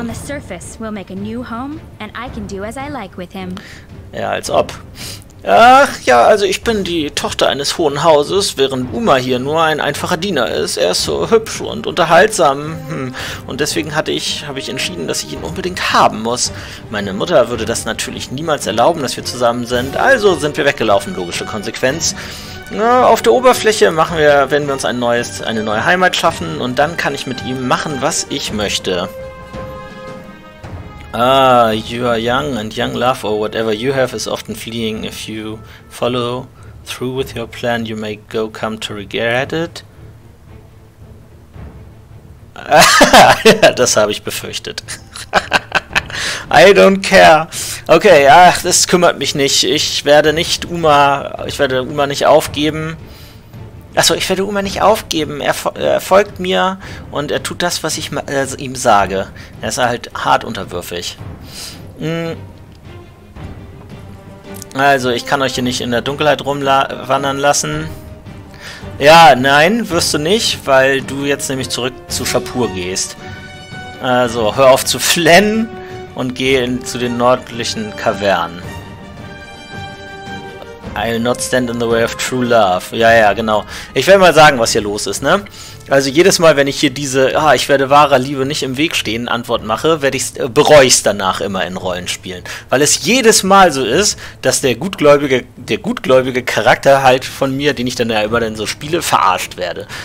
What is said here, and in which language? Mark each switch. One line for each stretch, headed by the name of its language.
English: On the surface, we'll make a new home, and I can do as I like with him.
German: Ja, als ob. Ach, ja, also ich bin die Tochter eines hohen Hauses, während Umar hier nur ein einfacher Diener ist. Er ist so hübsch und unterhaltsam. Und deswegen habe ich entschieden, dass ich ihn unbedingt haben muss. Meine Mutter würde das natürlich niemals erlauben, dass wir zusammen sind. Also sind wir weggelaufen, logische Konsequenz. Ja, auf der Oberfläche werden wir uns eine neue Heimat schaffen und dann kann ich mit ihm machen, was ich möchte.
English: Ah, you are young and young love or whatever you have is often fleeing. If you follow through with your plan, you may go come to regret it.
German: Das habe ich befürchtet.
English: I don't care.
German: Okay, ach, das kümmert mich nicht. Ich werde Umar nicht aufgeben. Achso, ich werde Umar nicht aufgeben. Er folgt mir und er tut das, was ich ihm sage. Er ist halt hart unterwürfig. Also, ich kann euch hier nicht in der Dunkelheit rumwandern lassen. Ja, nein, wirst du nicht, weil du jetzt nämlich zurück zu Shapur gehst. Also, hör auf zu flennen. Und gehe zu den nördlichen Kavernen.
English: I'll not stand in the way of true love.
German: Ja, ja, genau. Ich werde mal sagen, was hier los ist, ne? Also jedes Mal, wenn ich hier diese, ich werde wahrer Liebe nicht im Weg stehen, Antwort mache, bereue ich es danach immer in Rollenspielen. Weil es jedes Mal so ist, dass der gutgläubige Charakter halt von mir, den ich dann ja immer dann so spiele, verarscht werde.